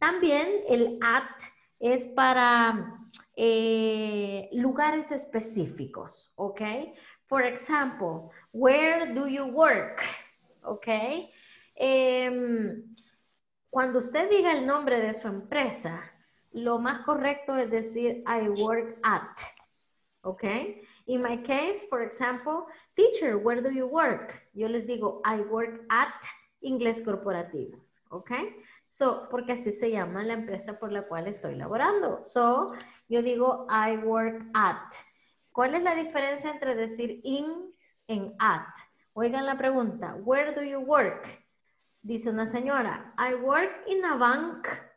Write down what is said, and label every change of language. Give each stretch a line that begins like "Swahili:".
Spanish: También el at es para lugares específicos, ¿ok?
English: For example, where do you work? ¿Ok?
Spanish: Cuando usted diga el nombre de su empresa, lo más correcto es decir,
English: I work at,
Spanish: ¿ok?
English: In my case, for example, teacher, where do you work?
Spanish: Yo les digo,
English: I work at
Spanish: Inglés Corporativo, ¿ok? So, porque así se llama la empresa por la cual estoy laborando. So, yo digo,
English: I work at.
Spanish: ¿Cuál es la diferencia entre decir in and at? Oigan la pregunta,
English: where do you work?
Spanish: Dice una señora,
English: I work in a bank.